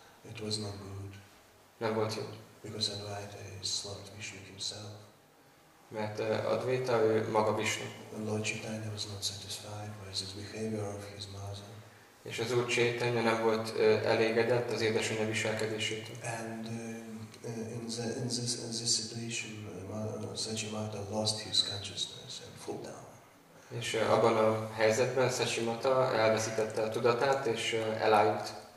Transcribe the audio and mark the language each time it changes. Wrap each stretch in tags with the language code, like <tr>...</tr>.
<en>It was not good.</en> <hu>Nem volt jó.</hu> <en>Because Advaita is Lord Vishnu himself.</en> <hu>Mert Advaita ő maga Vishnu.</hu> <en>Lord Chaitanya was not satisfied by his behavior of his mother.</en> <hu>És az Úr Chaitanya nem volt elégedett az édesanyja viselkedését.</hu> <en>And in this situation, Sachimata lost his consciousness.</en> <hu>És abban a helyzetben Sachimata elveszítette a tudatát és elájult.</hu>